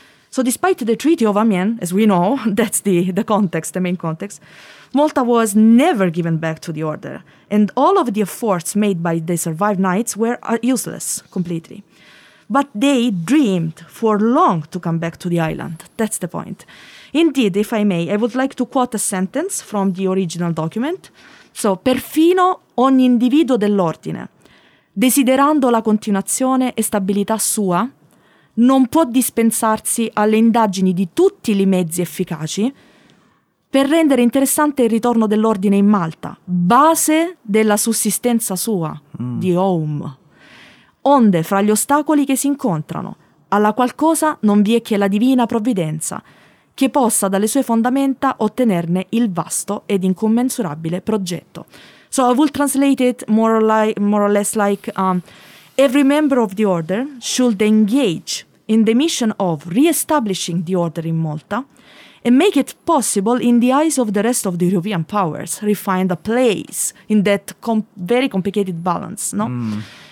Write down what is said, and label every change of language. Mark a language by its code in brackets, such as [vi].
[en] So despite the Treaty of Amiens, as we know, that's the main context, Malta was never given back to the order, and all of the efforts made by the survived knights were useless completely. But they dreamed for long to come back to the island. That's the point. Indeed, if I may, I would like to quote a sentence from the original document. [it] So, perfino ogni individuo dell'ordine, desiderando la continuazione e stabilità sua, non può dispensarsi alle indagini di tutti i mezzi efficaci per rendere interessante il ritorno dell'ordine in Malta, base della sussistenza sua, di home. Onde, fra gli ostacoli che si incontrano, alla qualcosa non vi è che la divina provvidenza, che possa dalle sue fondamenta ottenerne il vasto ed incommensurabile progetto. [en] So I will translate it more or less like every member of the order should engage in the mission of re-establishing the order in Malta and make it possible in the eyes of the rest of the European powers to find a place in that very complicated balance. No? Mm.